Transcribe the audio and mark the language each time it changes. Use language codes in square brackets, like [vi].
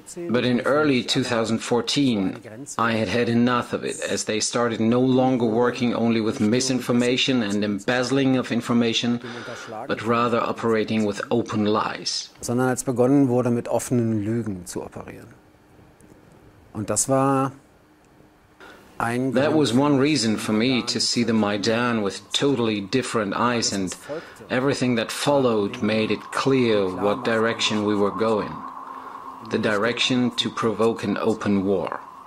[en] But in early 2014, I had enough of it, as they started no longer working only with misinformation and embezzling of information, but rather operating with open lies. [de] Sondern als begonnen wurde mit offenen Lügen zu operieren. Und das war [en] That was one reason for me to see the Maidan with totally different eyes, and everything that followed made it clear what direction we were going. The direction to provoke an open war.